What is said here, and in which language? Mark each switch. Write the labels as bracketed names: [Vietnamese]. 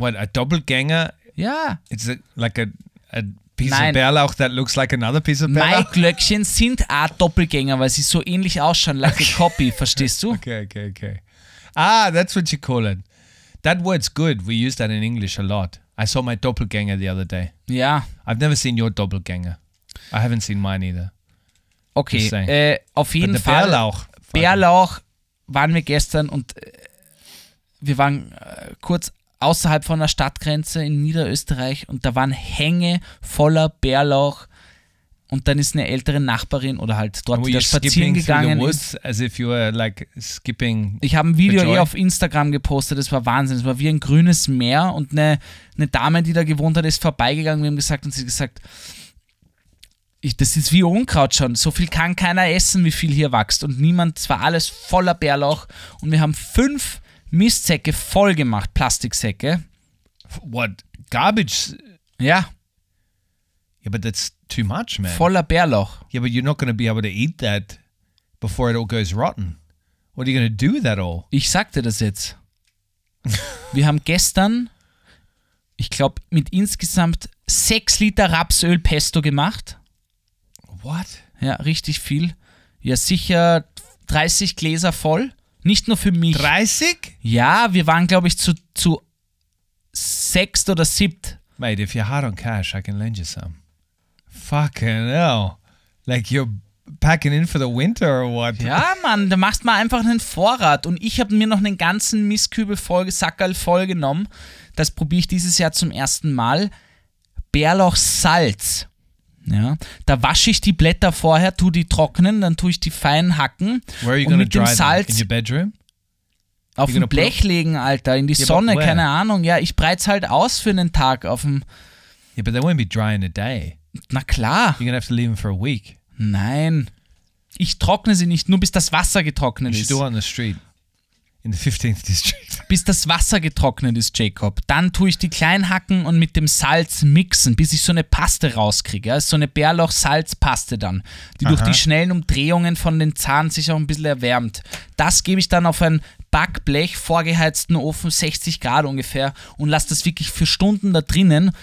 [English] What, a Doppelgänger... [German] Ja. [English] It's like a piece [German] Nein. [English] of Bärlauch that looks like another piece of Bärlauch? [German] Maiglöckchen sind auch Doppelgänger, weil sie so ähnlich ausschauen, [English] like okay. a copy, [German] verstehst du? Okay. [English] Ah, that's what you call it. That word's good. We use that in English a lot. I saw my Doppelgänger the other day. [German] Ja. [English] I've never seen your Doppelgänger. I haven't seen mine either. [German] Okay, auf jeden Fall. Bärlauch. Bärlauch waren wir gestern und wir waren kurz... außerhalb von der Stadtgrenze in Niederösterreich und da waren Hänge voller Bärlauch und dann ist eine ältere Nachbarin oder halt dort wieder spazieren gegangen. Ich habe ein Video eh auf Instagram gepostet, das war Wahnsinn, es war wie ein grünes Meer und eine Dame, die da gewohnt hat, ist vorbeigegangen, wir haben gesagt und sie hat gesagt, das ist wie Unkraut schon, so viel kann keiner essen, wie viel hier wächst und niemand, es war alles voller Bärlauch und wir haben 5 Mistsäcke voll gemacht, Plastiksäcke. [English] What? Garbage? [German] Ja. [English] Yeah, but that's too much, man. [German] Voller Bärlauch. [English] Yeah, but you're not going to be able to eat that before it all goes rotten. What are you going to do with that all? [German] Ich sagte das jetzt. Wir haben gestern, ich glaube, mit insgesamt 6 Liter Rapsöl Pesto gemacht. [English] What? [German] Ja, richtig viel. Ja, sicher 30 Gläser voll. Nicht nur für mich. 30? Ja, wir waren, glaube ich, zu 6. oder 7. [English] Mate, if you're hard on cash, I can lend you some. Fucking hell. Like you're packing in for the winter or what? [German] Ja, Mann, da machst mal einfach einen Vorrat. Und ich habe mir noch einen ganzen Mistkübel voll, Sackerl voll genommen. Das probiere ich dieses Jahr zum ersten Mal. Bärlauchsalz. Ja, da wasche ich die Blätter vorher, tue die trocknen, dann tue ich die fein hacken. [English] Where are you [German] und mit dem Salz [English] in your bedroom? [German] Auf dem Blech legen, Alter, in die Sonne, keine Ahnung. Ja, ich breite es halt aus für einen Tag auf dem... [English] Yeah, but they won't be dry in a day. [German] Na klar. [English] You're gonna have to leave them for a week. [German] Nein, ich trockne sie nicht, nur bis das Wasser getrocknet ist. [English] You should do it on the street, in the 15th district. [German] Bis das Wasser getrocknet ist, Jacob. Dann tue ich die klein hacken und mit dem Salz mixen, bis ich so eine Paste rauskriege. Ja? So eine Bärlauch-Salzpaste dann, die durch die schnellen Umdrehungen von den Zahn sich auch ein bisschen erwärmt. Das gebe ich dann auf ein Backblech, vorgeheizten Ofen, 60 Grad ungefähr und lasse das wirklich für Stunden da drinnen.